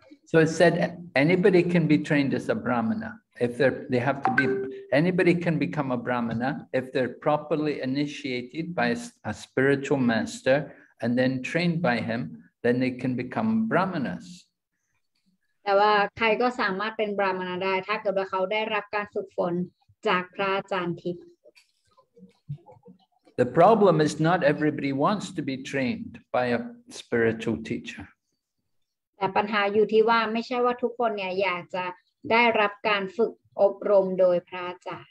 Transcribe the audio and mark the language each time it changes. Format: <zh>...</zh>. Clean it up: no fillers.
<en>So it said anybody can be trained as a brahmana if they have to be anybody can become a brahmana if they're properly initiated by a spiritual master and then trained by him then they can become brahmanas</en> <th>แต่ว่าใครก็สามารถเป็นบราหมณะได้ถ้าเกิดว่าเขาได้รับการฝึกฝนจากพระอาจารย์ทิพย์</th> <en>The problem is not everybody wants to be trained by a spiritual teacher.</en> <th>แต่ปัญหาอยู่ที่ว่าไม่ใช่ว่าทุกคนเนี่ยอยากจะได้รับการฝึกอบรมโดยพระอาจารย</th>